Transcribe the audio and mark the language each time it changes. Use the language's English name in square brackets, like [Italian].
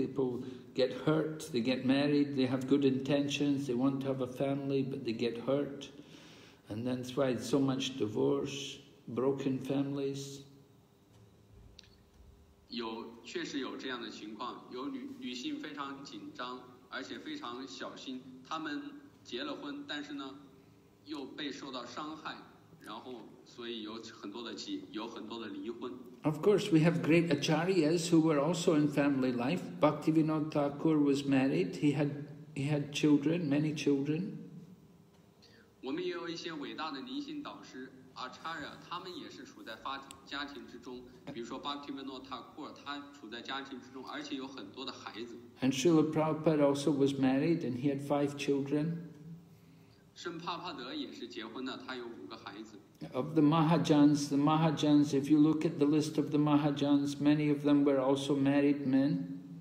[English] People get hurt, they get married, they have good intentions, they want to have a family, but they get hurt. And that's why so much divorce, broken families. [Chinese] 确实有这样的情况，有女性非常紧张，而且非常小心，她们结了婚，但是呢，又被受到伤害，然后所以有很多的离婚。 [English] Of course, we have great acharyas who were also in family life. Bhaktivinoda Thakur was married. He had children, many children. [Chinese] 我们也有一些伟大的灵性导师 acharya， 他们也是处在家庭之中。比如说 Bhaktivinoda Thakur， 他处在家庭之中，而且有很多的孩子。 [English] And Srila Prabhupada also was married, and he had 5 children. [Chinese] 圣帕帕德也是结婚的，他有5个孩子。 [English] Of the Mahajans, if you look at the list of the Mahajans, many of them were also married men.